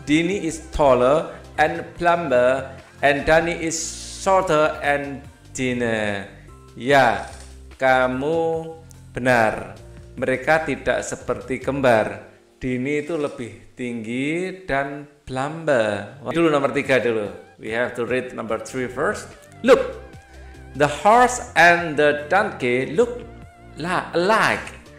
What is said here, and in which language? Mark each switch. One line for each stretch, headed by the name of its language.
English: Dini is taller and plumper, and Dani is shorter and thinner.
Indonesian: Ya, kamu benar. Mereka tidak seperti kembar. Dini itu lebih tinggi dan plumper.
English: Dulu nomor 3 dulu. We have to read number 3 first. Look, the horse and the donkey look alike.